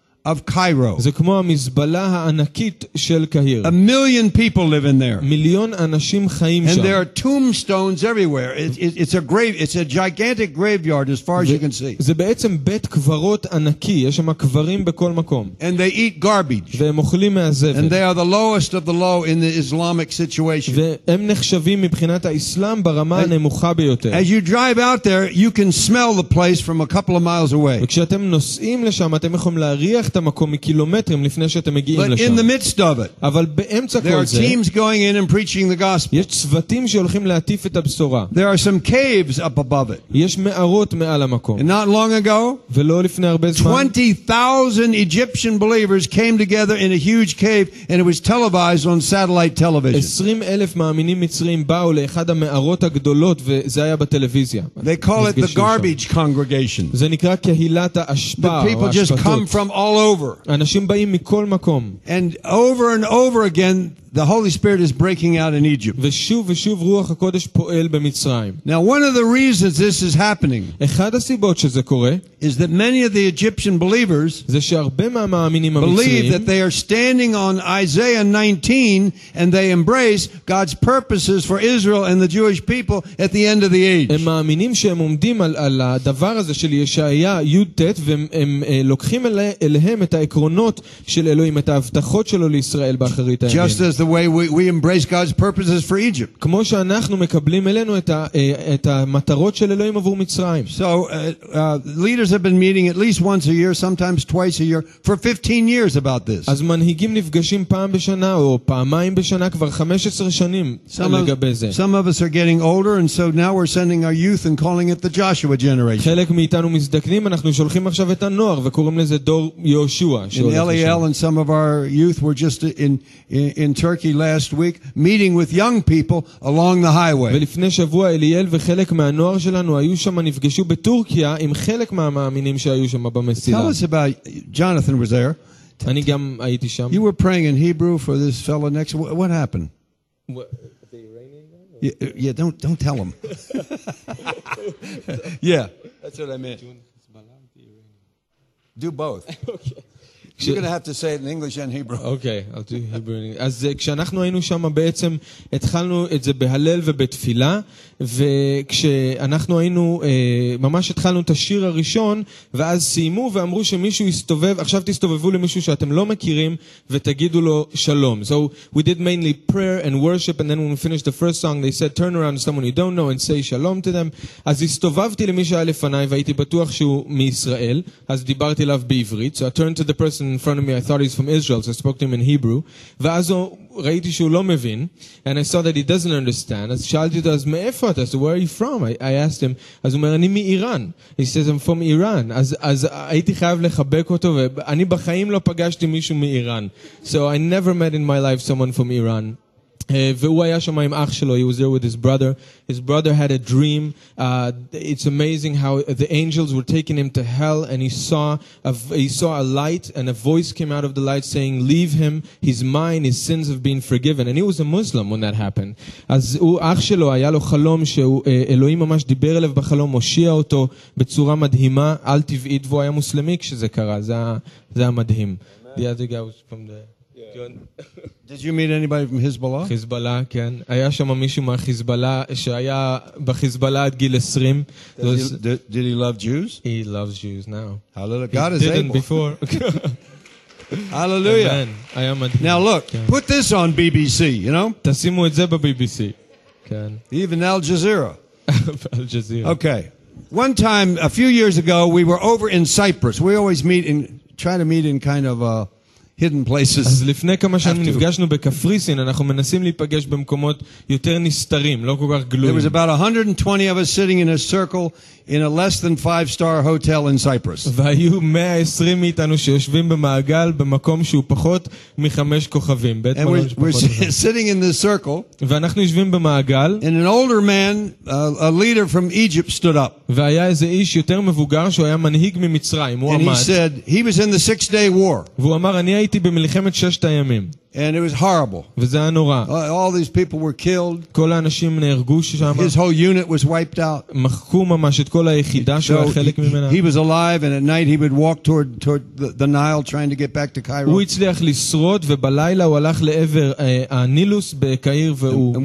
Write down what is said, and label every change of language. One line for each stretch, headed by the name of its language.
English: of Cairo.
Hebrew: זה כמו המזבלה הענקית של קהיר.
English: A million people live in there.
Hebrew: מיליון אנשים חיים שם.
English: And there are tombstones everywhere. It's a gigantic graveyard as far as you can see.
Hebrew: זה בעצם בית קברות ענקי, יש שם קברים בכל מקום.
English: And they eat garbage.
Hebrew: והם אוכלים מהזבל.
English: And they are the lowest of the low in the Islamic situation.
Hebrew: והם נחשבים מבחינת האסלאם ברמה הנמוכה ביותר.
English: As you drive out there, you can smell the place from a couple of miles away.
Hebrew: וכשאתם נוסעים לשם, אתם יכולים להריח את המקום מקילומטרים לפני שאתם מגיעים לשם. אבל באמצע כל זה,
English: teams going in and preaching the gospel.
Hebrew: יש צוותים שהולכים להטיף את הבשורה.
English: There are some caves up above it.
Hebrew: יש מערות מעל המקום.
English: And not long ago,
Hebrew: ולא לפני הרבה זמן,
English: 20,000 Egyptian believers came together in a huge cave and it was televised on satellite television.
Hebrew: 20,000 מאמינים מצרים באו לאחד המערות הגדולות וזה היה בטלוויזיה.
English: They call it the garbage congregation.
Hebrew: זה נקרא קהילת האשפה.
English: The people just come from all over.
Hebrew: אנשים באים מכל מקום.
English: And over and over again the Holy Spirit is breaking out in Egypt.
Hebrew: ושוב ושוב רוח הקודש פועל במצרים.
English: Now one of the reasons this is happening,
Hebrew: אחד הסיבות שזה קורה,
English: is that many of the Egyptian believers,
Hebrew: זה שהרבה מהמאמינים המצרים,
English: believe that they are standing on Isaiah 19 and they embrace God's purposes for Israel and the Jewish people at the end of the age.
Hebrew: הם מאמינים שהם עומדים על הדבר הזה של ישעיה י"ט והם לוקחים אליהם את העקרונות של אלוהים, את ההבטחות שלו לישראל באחרית הימים.
English: Just as the way we embrace God's purposes for Egypt.
Hebrew: כמו שאנחנו מקבלים אלינו את המטרות של אלוהים עבור מצרים.
English: So leaders have been meeting at least once a year, sometimes twice a year, for 15 years about this.
Hebrew: אז מנהיגים נפגשים פעם בשנה או פעמיים בשנה כבר 15 שנים לגבי זה.
English: Some of us are getting older and so now we're sending our youth and calling it the Joshua generation.
Hebrew: חלק מאיתנו מזדקנים, אנחנו שולחים עכשיו את הנוער וקוראים לזה דור יהושע.
English: In LAL and some of our youth were just in Turkey last week meeting with young people along the highway.
Hebrew: ולפני שבוע אליאל וחלק מהנוער שלנו היו שם, נפגשו בטורקיה עם חלק מהמאמינים שהיו שם במסילה.
English: Tell us about Jonathan was there.
Hebrew: אני גם הייתי שם.
English: You were praying in Hebrew for this fellow next. What happened? The Iranian guy? Yeah, don't tell him. Yeah. That's what I meant. Do both. Okay. You're going to have to say it in English and Hebrew. Okay, I'll do Hebrew and English.
Hebrew: אז כשאנחנו היינו שם בעצם התחלנו את זה בהלל ובתפילה, וכשאנחנו היינו ממש התחלנו את השיר הראשון, ואז סיימו ואמרו שמישהו יסתובב, עכשיו תסתובבו למישהו שאתם לא מכירים ותגידו לו שלום.
English: So we did mainly prayer and worship, and then when we finished the first song they said turn around to someone you don't know and say שלום to them.
Hebrew: אז הסתובבתי למי שהיה לפניי והייתי בטוח שהוא מישראל, אז דיברתי אליו בעברית.
English: So I turned to the person in front of me, I thought he's from Israel, so I spoke to him in Hebrew. ואז ראיתי שהוא לא מבין, and I saw that he doesn't understand.
Hebrew: אז שאלתי אותו, אז מאיפה אתה?
English: So where are you from? I asked him.
Hebrew: אז הוא אומר, אני מאיראן.
English: He says, I'm from Iran.
Hebrew: אז הייתי חייב לחבק אותו, ואני בחיים לא פגשתי מישהו מאיראן.
English: So I never met in my life someone from Iran.
Hebrew: והוא היה שם עם אח שלו,
English: he was there with his brother. His brother had a dream. It's amazing how the angels were taking him to hell and he saw a light and a voice came out of the light saying, leave him, he's mine, his sins have been forgiven. And he was a Muslim when that happened.
Hebrew: אז אח שלו היה לו חלום שאלוהים ממש דיבר אליו בחלום, מושיע אותו בצורה מדהימה, על טבעית, והוא היה מוסלמי כשזה קרה, זה המדהים.
English: The other guy was from there. Did you meet anybody from Hezbollah?
Hebrew: Hezbollah, כן. היה שם מישהו מהחיזבאללה שהיה בחיזבאללה עד גיל 20.
English: Did he love Jews? He loves Jews now. Hallelujah. God is able. He didn't before. Hallelujah. Amen. I am a... Now look, כן. Put this on BBC, you know?
Hebrew: תשימו את זה ב-BBC. כן.
English: Even Al Jazeera. Al Jazeera. Okay. One time, a few years ago, we were over in Cyprus. We always try to meet in kind of a... hidden places.
Hebrew: אז לפני כמה שנים נפגשנו בקפריסין, אנחנו מנסים להיפגש במקומות יותר נסתרים, לא כל כך גלויים.
English: There was about 120 of us sitting in a circle in a less than 5-star hotel in Cyprus.
Hebrew: והיו 120 מאיתנו שיושבים במעגל במקום שהוא פחות מ-5 כוכבים.
English: And we're sitting in this circle.
Hebrew: ואנחנו יושבים במעגל.
English: And an older man, a leader from Egypt, stood up.
Hebrew: והיה איזה איש יותר מבוגר שהוא היה מנהיג ממצרים, הוא עמד.
English: And he said, he was in the 6-day war.
Hebrew: והוא אמר, אני הייתי במלחמת ששת הימים.
English: And it was horrible. All these people were killed. His whole unit was wiped out. He was alive, and at night he would walk toward the Nile trying to get back to Cairo. And